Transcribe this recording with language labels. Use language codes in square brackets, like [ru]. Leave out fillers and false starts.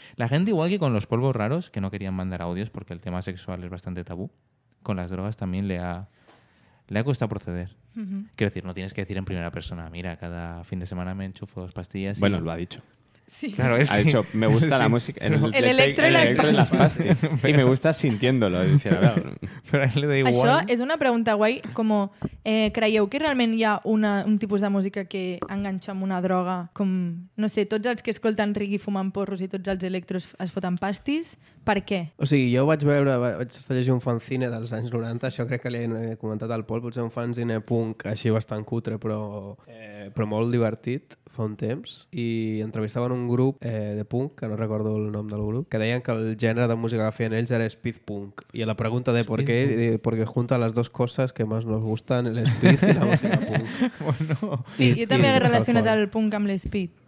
[es] La gente, igual que con los polvos raros, que no querían mandar audios porque el tema sexual es bastante tabú, con las drogas también le ha costado proceder. Uh-huh. Quiero decir, no tienes que decir en primera persona, mira, cada fin de semana me enchufo dos pastillas. Bueno, y... lo ha dicho. Sí. Claro, ha dicho, me gusta sí. la música. El electro y las pastillas. Y me gusta sintiéndolo. Decía, claro. Pero a él le da igual. [ca] Això és una pregunta guai. Como, creieu que realment hi ha un tipus de música que enganxa amb una droga? Com, no sé, tots els que escolten reggae fumant porros i tots els electros es foten pastis. Per què? O sigui, jo vaig estar llegint un fanzine dels anys 90. Això crec que li he comentat al Pol. Potser un fanzine punk així bastant cutre, però molt divertit. Fa un temps, i entrevistaven un grup de punk, que no recordo el nom del grup, que deien que el gènere de música que feien ells era speed punk. I la pregunta de [es] por qué, porque junta las dos cosas que más nos gustan, el speed y la música punk. [ca] Bueno. Sí, jo també he relacionat el punk amb l'speed.